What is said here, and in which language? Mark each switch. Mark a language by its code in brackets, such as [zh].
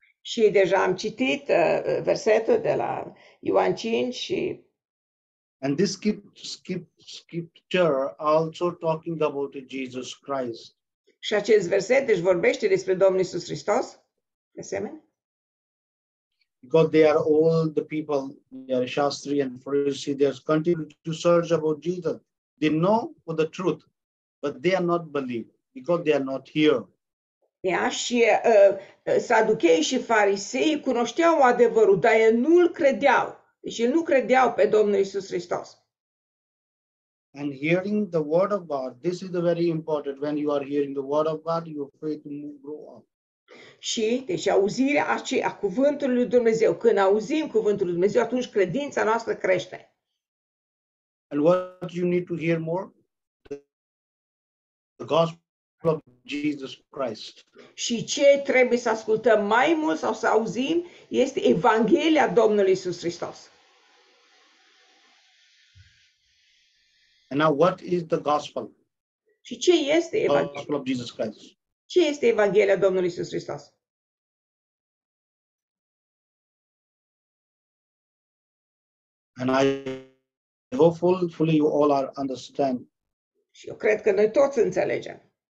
[ro] Și deja am citit versetul de la Ioan 5 și... [en] And this scripture also talking about Jesus Christ. [ro] Și acest verset deci vorbește despre Domnul Iisus Hristos, de asemenea. [en] Because they are all the people, they are Shastri and Pharisee, they are continuing to search about Jesus. They know for the truth, but they are not believed because they are not here. [ro] Ia, și saducheii și farisei cunoșteau adevărul, dar ei nu-l credeau. Și nu credeau pe Domnul Iisus Hristos. [en] And hearing the word of God, this is very important. When you are hearing the word of God, your faith will grow up. [ro] Și, deci auzirea aceea, cuvântului lui Dumnezeu. Când auzim cuvântul lui Dumnezeu, atunci credința noastră crește. [en] And what you need to hear more? The gospel of Jesus Christ. [ro] Și ce trebuie să ascultăm mai mult sau să auzim este Evanghelia Domnului Iisus Hristos. [en] And now what is the gospel? [ro] Și ce este Evanghelia? [en] Gospel of Jesus Christ. [ro] Ce este Evanghelia Domnului Iisus Hristos? [en] And I hope fully you all are understand. [ro] Și eu cred că noi toți înțelegem.